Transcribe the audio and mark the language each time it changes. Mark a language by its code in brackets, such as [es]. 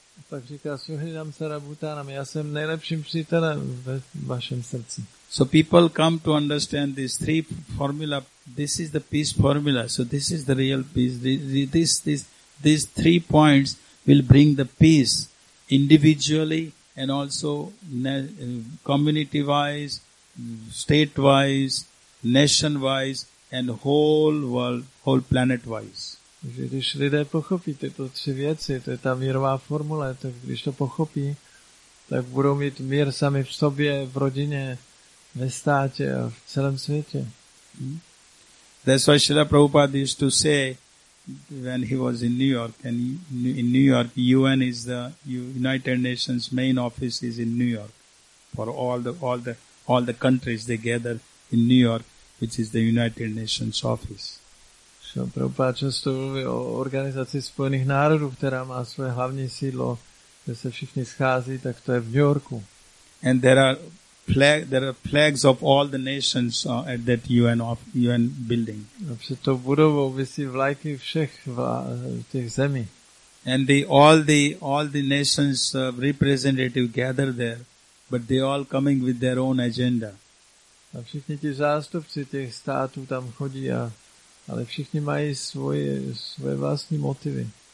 [cs] Tak říká, [sa] Suradam Sarva Bhutanam. [cs] Já jsem nejlepším přítelem ve vašem srdci. [en] So people come to understand this three formula. This is the peace formula. So this is the real peace. These three points will bring the peace individually and also community-wise, state-wise, nation-wise, and whole world, whole planet-wise. [cs] Takže když lidé pochopí tyto tři věci, to je ta mírová formule, tak když to pochopí, tak budou mít mír sami v sobě, v rodině, ve státě a v celém světě. [en] That's why Srila Prabhupada used to say, when he was in New York, and in New York, UN is the United Nations main office is in New York. For all the countries, they gather in New York, which is the United Nations office. [cs] Srila Prabhupada často mluví o organizaci Spojených národů, která má svoje hlavní sídlo, kde se všichni schází, tak to je v New Yorku. [en] And there are flags of all the nations at that UN building. [cs] A před tou budovou visí vlajky všech těch zemí. [en] And all the nations representative gather there, but they all coming with their own agenda. [cs] A všichni ti zástupci těch států tam chodí, ale všichni mají svoje vlastní motivy.